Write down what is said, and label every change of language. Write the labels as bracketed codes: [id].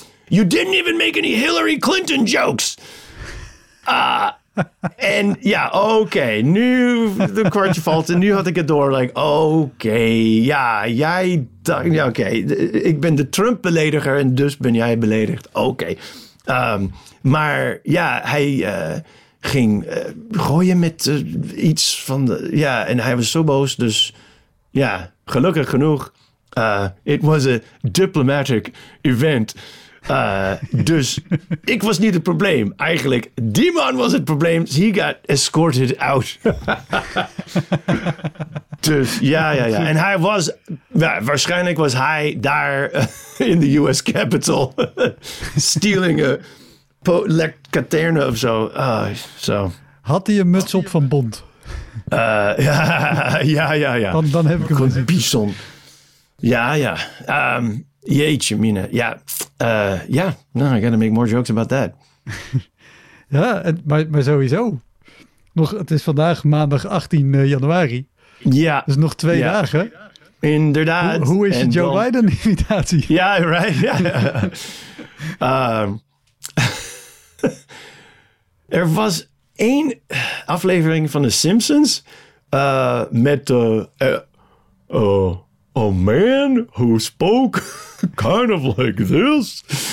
[en] you didn't even make any Hillary Clinton jokes. [nl] Oké. Nu de kwartje valt. En nu had ik het door. Like, oké. Ja, jij... Ja, oké. Okay. Ik ben de Trump-belediger en dus ben jij beledigd. Oké. Okay. Maar ja, hij ging gooien met iets van... Ja, en hij was zo boos. Dus ja, gelukkig genoeg. [en] It was a diplomatic event. [nl] Dus ik was niet het probleem. Eigenlijk, die man was het probleem. [en] He got escorted out. [nl] Dus ja. En hij was, waarschijnlijk was hij daar in de US Capitol [en] stealing a [nl] lectaterne of zo. Had hij een muts op van Bond? Ja. Dan heb ik hem. Een bison. Ja. Jeetje, Mina. Ja. [en] No, I gotta make more jokes about that. [nl] Ja, maar sowieso. Nog, het is vandaag maandag 18 januari. Ja. Dus nog twee dagen. Inderdaad. Hoe is het Joe Biden-imitatie? [en] Ja, yeah, right. Yeah. [nl] er was één aflevering van The Simpsons met de... [en] A man who spoke kind of like this.